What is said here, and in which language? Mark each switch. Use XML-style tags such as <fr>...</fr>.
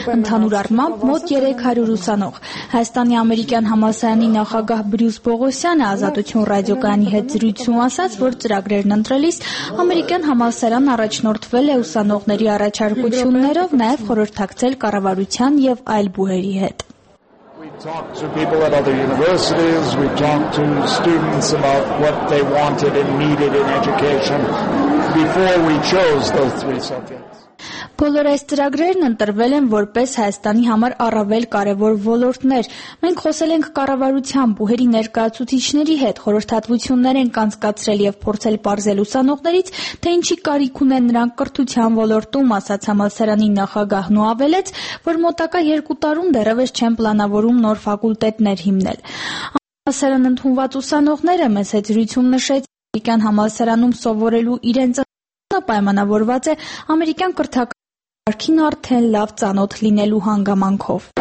<hy>ընդհանուր առմամբ մոտ 300 ուսանող։ Հայաստանի Ամերիկյան համալսարանի նախագահ Բրյուս Պողոսյանը Ազատություն ռադիոկայանի հետ զրույցում ասաց, որ ծրագրերն ընտրելիս Ամերիկյան համալսարանն առաջնորդվել է ուսանողների առաջարկություններով, նաեւ խորհրդակցել կառավարության եւ այլ բուհերի հետ։</hy> <en>We've talked to people at other universities, we've talked to students about what they wanted and needed in education before we chose those three subjects.</en> <hy>Բոլոր այս ծրագրերն ընտրվել են որպես Հայաստանի համար առավել կարևոր ոլորտներ։ Մենք խոսել ենք կառավարության բուհերի ներկայացուցիչների հետ, խորհրդատվություններ ենք անցկացրել եւ փորձել պարզել ուսանողներից, թե ինչի կարիք ունեն նրանք կրթության ոլորտում, ասաց համալսարանի նախագահն ու ավելեց, որ մոտակա 2 տարում դեռևս չեն պլանավորում նոր ֆակուլտետներ հիմնել։ Համալսարան ընդունված ուսանողները մեզ հետ զրույցում նշեց, իրական համալսարանում սովորելու իրենց պայմանավորված է ամերիկյան կրթական ակադեմիան արդեն լավ ծանոթ լինելու հանգամանքով։</hy>